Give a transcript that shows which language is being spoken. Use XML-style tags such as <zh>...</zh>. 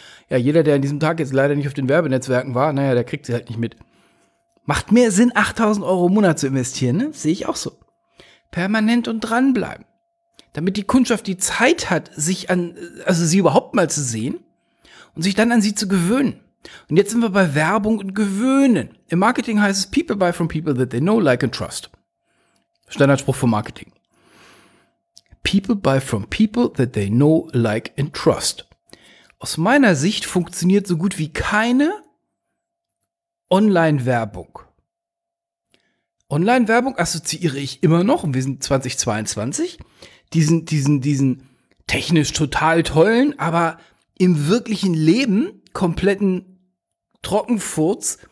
<de>Ja, jeder, der an diesem Tag jetzt leider nicht auf den Werbenetzwerken war, naja, der kriegt sie halt nicht mit. Macht mehr Sinn, 8.000 Euro im Monat zu investieren, ne? Sehe ich auch so. Permanent und dranbleiben. Damit die Kundschaft die Zeit hat, sie überhaupt mal zu sehen und sich dann an sie zu gewöhnen. Und jetzt sind wir bei Werbung und Gewöhnen. Im Marketing heißt es,</de> <en>people buy from people that they know, like and trust.</en> <de>Standardspruch vom Marketing.</de> <en>People buy from people that they know, like and trust.</en> <de>Aus meiner Sicht funktioniert so gut wie keine Online-Werbung. Online-Werbung assoziiere ich immer noch, und wir sind 2022, diesen technisch total tollen, aber im wirklichen Leben kompletten Trockenfurz.</de>